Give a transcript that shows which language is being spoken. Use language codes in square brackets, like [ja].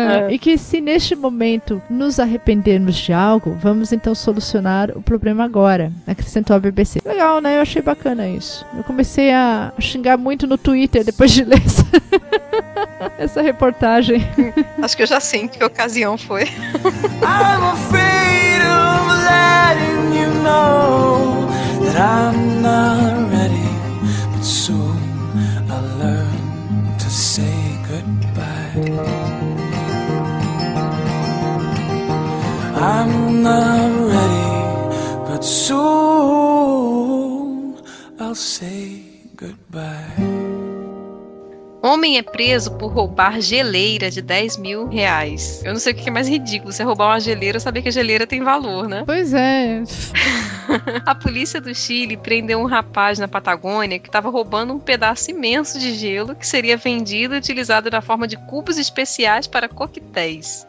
[pt] E que se neste momento nos arrependermos de algo, vamos então solucionar o problema agora, acrescentou a BBC. Legal, né? Eu achei bacana isso. Eu comecei a xingar muito no Twitter depois de ler essa reportagem. Acho que eu já sei em que ocasião foi. [en] I'm afraid of letting you know that I'm not ready, but soon I'll learn to say goodbye. I'm not ready, but soon I'll say goodbye. [pt] Homem é preso por roubar geleira de 10 mil reais. Eu não sei o que é mais ridículo, se é roubar uma geleira ou saber que a geleira tem valor, né? Pois é. A polícia do Chile prendeu um rapaz na Patagônia que estava roubando um pedaço imenso de gelo que seria vendido e utilizado na forma de cubos especiais para coquetéis.